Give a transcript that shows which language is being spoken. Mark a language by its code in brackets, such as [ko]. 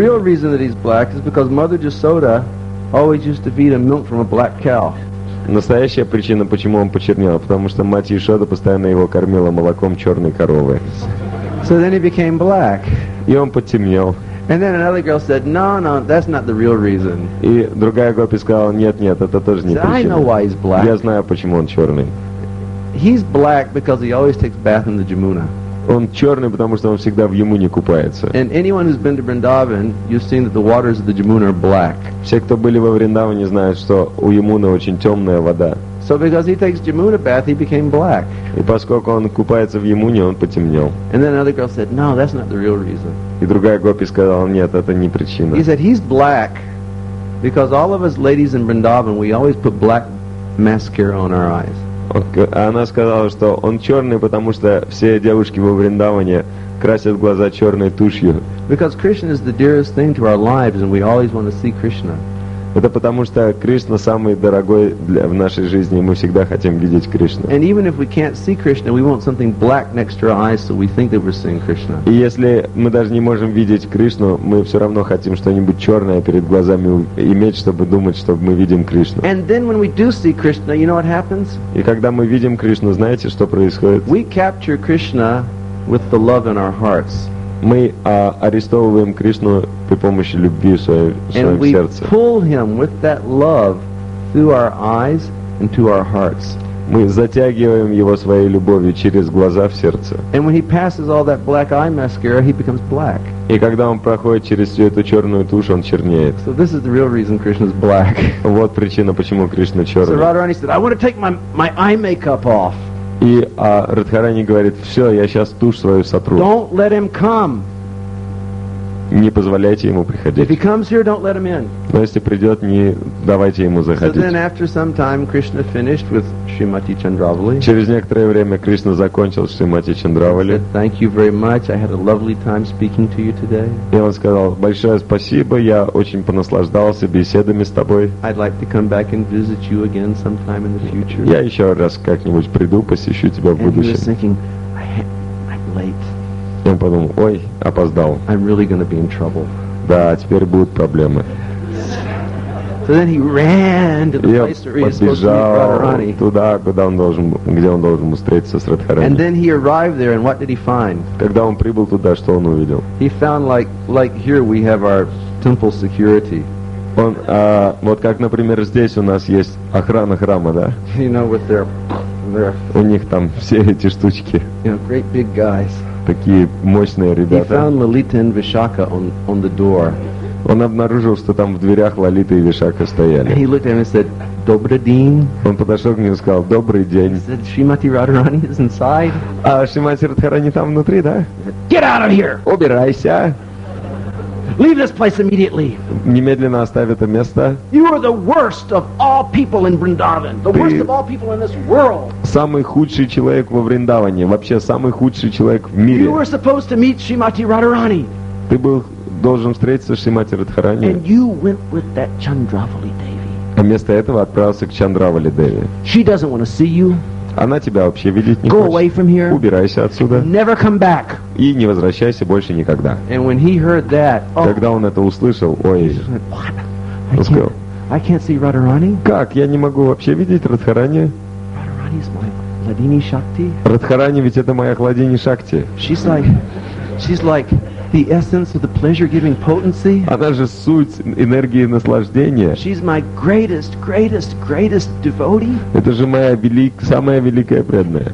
[en] The real reason that he's black is because Mother Jasoda always used to feed him milk from a black cow. [ru] Настоящая причина, почему он почернел, потому что мать Ешода постоянно его кормила молоком черной коровы. [en] So then he became black. [ru] И он потемнел. [en] And then another girl said, no, that's not the real reason. [ru] И другая гопи сказала, нет, это тоже не причина. [en] I know why he's black. [ru] Я знаю, почему он черный. [en] He's black because he always takes bath in the Jamuna. [ru] Он черный, потому что он всегда в Ямуне купается. [en] And anyone who's been to Vrindavan, you've seen that the waters of the Jamuna are black. [ru] Все, кто были во Вриндаване, знают, что у Ямуны очень темная вода. [en] So because he takes Jamuna bath, he became black. [ru] И поскольку он купается в Ямуне, он потемнел. [en] And then another girl said, no, that's not the real reason. [ru] И другая гопи сказала, нет, это не причина. [en] He said, he's black because all of us ladies in Vrindavan, we always put black mascara on our eyes. [ru] Она сказала, что он черный, потому что все девушки во Вриндаване красят глаза черной тушью. [en] Because Krishna is the dearest thing to our lives and we always want to see Krishna. [ru] Это потому, что Кришна самый дорогой в нашей жизни, и мы всегда хотим видеть Кришну. [en] And even if we can't see Krishna, we want something black next to our eyes, so we think that we're seeing Krishna. [ru] И если мы даже не можем видеть Кришну, мы все равно хотим что-нибудь черное перед глазами иметь, чтобы думать, что мы видим Кришну. [en] And then when we do see Krishna, you know what happens? [ru] И когда мы видим Кришну, знаете, что происходит? [en] We capture Krishna with the love in our hearts. [ru] Мы арестовываем Кришну при помощи любви в своем сердце. [en] And we pull him with that love through our eyes and to our hearts. [ru] Мы затягиваем его своей любовью через глаза в сердце. [en] And when he passes all that black eye mascara, he becomes black. [ru] И когда он проходит через всю эту черную тушь, он чернеет. [en] So this is the real reason Krishna's black. [ru] Вот причина, почему Кришна черный. [en] So Radharani said, I want to take my eye makeup off. [ru] И Радхарани говорит, все, я сейчас тушь свою сотру. [en] Don't let him come. [ru] не позволяйте ему приходить. [en] If he comes here, don't let him in. [ru] Но если придет, не давайте ему заходить. [en] So then after some time, Krishna finished with Shrimati Chandravali. [ru] Через некоторое время Кришна закончил с Шримати Чандравали. [en] Thank you very much. I had a lovely time speaking to you today. [ru] И он сказал: большое спасибо, я очень понаслаждался беседами с тобой. [en] I'd like to come back and visit you again sometime in the future. [ru] Я еще раз как-нибудь приду, посещу тебя в будущем. [en] And he was thinking, I'm late. [ru] Я подумал: ой, опоздал. [en] I'm really gonna be in trouble. [ru] Да, теперь будут проблемы. [en] So then he ran to the place where he was supposed to meet Radharani. [ru] Туда, куда он должен, где он должен встретиться с Радхарани. [en] And then he arrived there, and what did he find? [ru] Когда он прибыл туда, что он увидел? [en] He found like here we have our temple security. [ru] Он, вот как, например, здесь у нас есть охрана храма, да? [en] You know, with their [ru] у них там все эти штучки. [en] You know, great big guys. [ru] Такие мощные ребята. [en] He found Lalita and Vishaka on the door. [ru] Он обнаружил, что там в дверях Лалита и Вишака стояли. [en] And he looked at him and said, [ru] "Добрый день." Он подошел к нему и сказал: "Добрый день." [en] He said, "Шримати Радхарани is inside." [ru] А Шримати Радхарани там внутри, да? [en] Said, "Get out of here!" [ru] Убирайся! [en] Leave this place immediately. [ru] Немедленно оставь это место. [en] You are the worst of all people in Vrindavan. The worst of all people in this world. [ru] Самый худший человек во Вриндаване, вообще самый худший человек в мире. [en] You were supposed to meet Shrimati Radharani. [ru] Ты был должен встретиться с Шримати Радхарани. [en] And you went with that Chandravali Devi. [ru] А вместо этого отправился к Чандравали Деви. [en] She doesn't want to see you. [ru] Она тебя вообще видеть не хочет. Убирайся отсюда. [en] Never come back. [ru] И не возвращайся больше никогда. [en] And when he heard that, oh, [ru] когда он это услышал, ой, [en] he said, what? I can't see Radharani. [ru] Как? Я не могу вообще видеть Радхарани. [en] Radharani is my Ladini Shakti. [ru] Радхарани ведь это моя Ладини Шакти. [en] She's like the essence of the pleasure-giving potency. [ru] Она же суть энергии наслаждения. [en] She's my greatest devotee. [ru] Это же моя самая великая преданная.